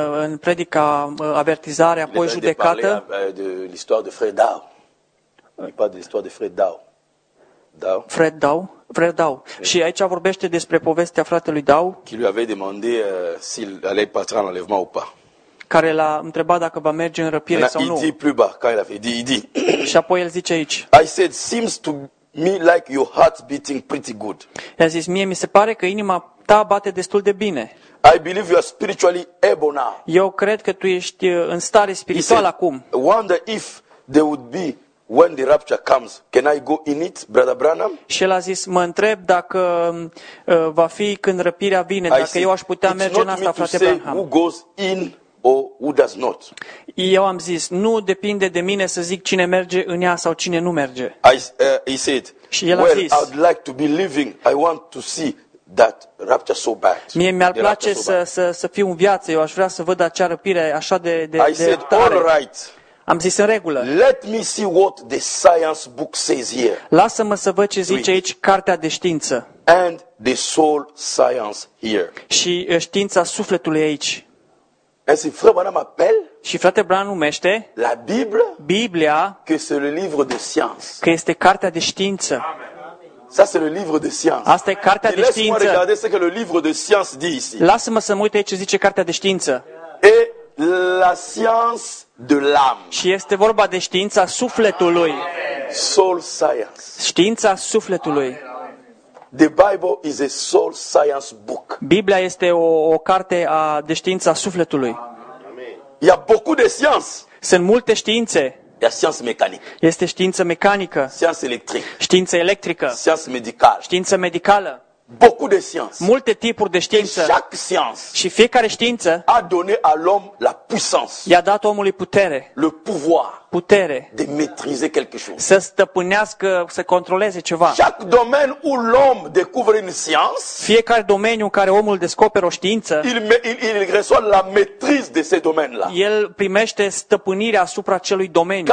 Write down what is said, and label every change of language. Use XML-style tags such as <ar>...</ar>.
<ro>În predica avertizare, apoi judecată.</ro> <fr>De l'histoire de Fred Dow. Pas de l'histoire de Fred Dow. Dow. Fred Dow. Fred Dow.</fr> <ro>Și aici vorbește despre povestea fratelui Dow,</ro> <fr>qui lui avait demandé s'il allait partir en enlèvement ou pas.</fr> <ro>Care l-a întrebat dacă va merge în răpire sau nu.</ro> <fr>Il dit plus bas, quand il avait dit, il dit.</fr> <ro>Și apoi el zice aici.</ro> <en>I said seems to me like your heart's beating pretty good.</en> <ro>I-a zis, mie mi se pare că inima ta bate destul de bine.</ro> <en>I believe you are spiritually able now.</en> <ro>Eu cred că tu ești în stare spirituală acum.</ro> <en>I wonder if there would be when the rapture comes, can I go in it, Brother Branham?</en> <ro>Și el a zis, mă întreb dacă va fi când răpirea vine, dacă eu aș putea merge în asta, frate Branham.</ro> <en>Who goes in or who does not.</en> <ro>Eu am zis, nu depinde de mine să zic cine merge în ea sau cine nu merge.</ro> <en>He said,</en> <ro>și el</ro> <en>well,</en> <ro>a zis,</ro> <en>I'd like to be living, I want to see that rapture so bad.</en> <ro>Mie mi-ar place să fiu în viață, eu aș vrea să văd acea răpire așa de tare.</ro> <en>I said, all right.</en> <ro>Am zis în regulă.</ro> <en>Let me see what the science book says here.</en> <ro>Lasă-mă să văd ce zice aici cartea de știință.</ro> <en>And the soul science here.</en> <ro>Și știința sufletului aici.</ro> <fr>Et si frère Branham appelle?</fr> <ro>Și frate Branham numește?</ro> <fr>La Bible?</fr> <ro>Biblia.</ro> <fr>Que c'est le livre de science.</fr> <ro>Că este cartea de știință.</ro> <fr>Ça c'est le livre de science.</fr> <ro>Asta e cartea de știință.</ro> <fr>Et laisse-moi regarder ce que le livre de science dit ici.</fr> <ro>Lasă-mă să mă uit ce zice cartea de știință.</ro> <fr>Et la science de l'âme.</fr> <ro>Și este vorba de știința sufletului.</ro> <en>Soul science.</en> <ro>Știința sufletului.</ro> <en>The Bible is a soul science book.</en> <ro>Biblia este o carte de știința sufletului.</ro> <fr>Amen. Il y a beaucoup de sciences.</fr> <ro>Sunt multe științe.</ro> <fr>Il y a science mécanique.</fr> <ro>Este știință mecanică.</ro> <fr>Science électrique.</fr> <ro>Știință electrică.</ro> <fr>Science médicale.</fr> <ro>Știință medicală.</ro> <fr>Beaucoup de sciences.</fr> <ro>Multe tipuri de știință.</ro> <fr>Chaque science.</fr> <ro>Și fiecare știință.</ro> <fr>A donné à l'homme la puissance.</fr> <ro>I-a dat omului putere.</ro> <fr>Le pouvoir.</fr> <ro>Putere.</ro> <fr>De maîtriser quelque chose.</fr> <ro>Să stăpânească, să controleze ceva.</ro> <fr>Chaque domaine où l'homme découvre une science.</fr> <ro>Fiecare domeniu în care omul descoperă o știință.</ro> <fr>Il reçoit la maîtrise de ce domaine-là.</fr> <ro>El primește stăpânirea asupra acelui domeniu.</ro>